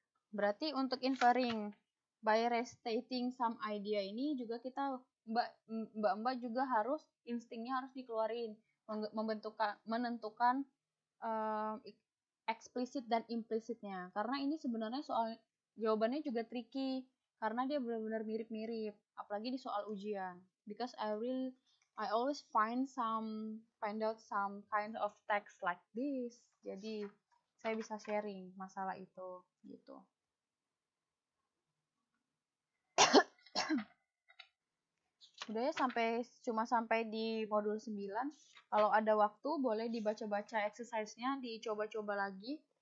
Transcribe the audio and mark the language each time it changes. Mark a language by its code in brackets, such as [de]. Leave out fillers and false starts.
[id] Berarti untuk [en] inferring by restating some idea [id] ini juga kita mbak-mbak juga harus instingnya harus dikeluarin, menentukan eksplisit dan implisitnya. Karena ini sebenarnya soal jawabannya juga tricky karena dia benar-benar mirip-mirip, apalagi di soal ujian. [en] Because I always find out some kind of text like this. [id] Jadi saya bisa sharing masalah itu gitu. Udah ya, sampai cuma sampai di modul 9. Kalau ada waktu boleh dibaca-baca exercise-nya, dicoba-coba lagi.